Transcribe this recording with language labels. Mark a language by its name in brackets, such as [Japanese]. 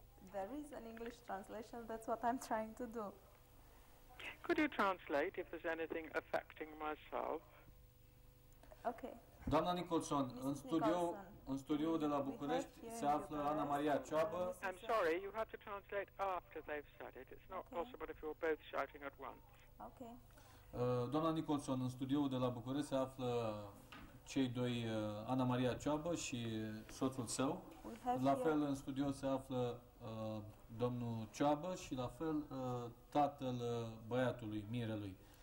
[English] There is an English translation, that's what I'm trying to do. Could you translate if there's anything affecting myself? Okay. [Romanian] Doamna Nicholson, în studio de la București se află Ana Maria Cioabă. [English] I'm sorry, you have to translate after they've said it. It's not possible if you're both shouting at once. Okay. [Romanian] Doamna Nicholson, în studioul de la București se află cei doi, Ana Maria Cioabă și soțul său. La fel, în studio se află domnul Cioabă și la fel tatăl băiatului, Mirelui.